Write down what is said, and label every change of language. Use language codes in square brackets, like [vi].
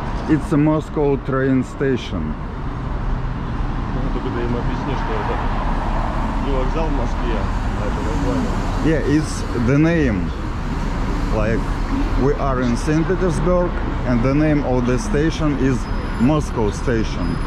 [en] It's a Moscow train station. [ru] Ну, только ты им объясни, что это не вокзал в Москве, а это название. [en] Yeah, it's the name. Like, we are in St. Petersburg, and the name of the station is Moscow station.